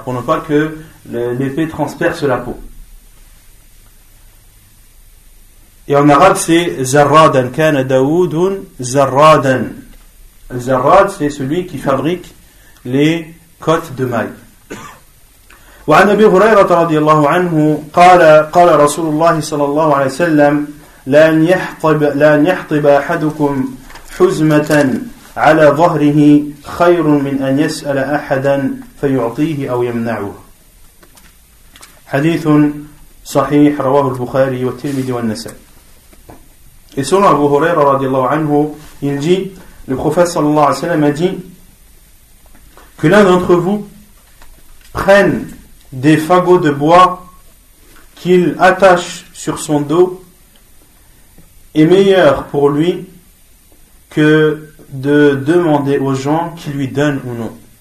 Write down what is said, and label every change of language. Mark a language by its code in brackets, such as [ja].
[fr] Pour ne pas que l'épée transperce la peau. Et en arabe, c'est Zarradan. [ar] Kana Daoudun Zarradan. [fr] Zarrad, c'est celui qui fabrique les cotes de maille. [ar] وعن أبي هريرة رضي الله عنه قال قال رسول الله صلى الله عليه وسلم لأن يحطب أحدكم حزمة على ظهره خير من أن يسأل أحدا فيعطيه أو يمنعه. حديث صحيح رواه البخاري والترمذي والنسائي. [fr] Et selon Abu Huraira [ar] رضي الله عنه, [fr] il dit, le prophète [ar] صلى الله عليه وسلم [fr] a dit que l'un d'entre vous prenne des fagots de bois qu'il attache sur son dos est meilleur pour lui que de demander aux gens qui lui donnent ou non.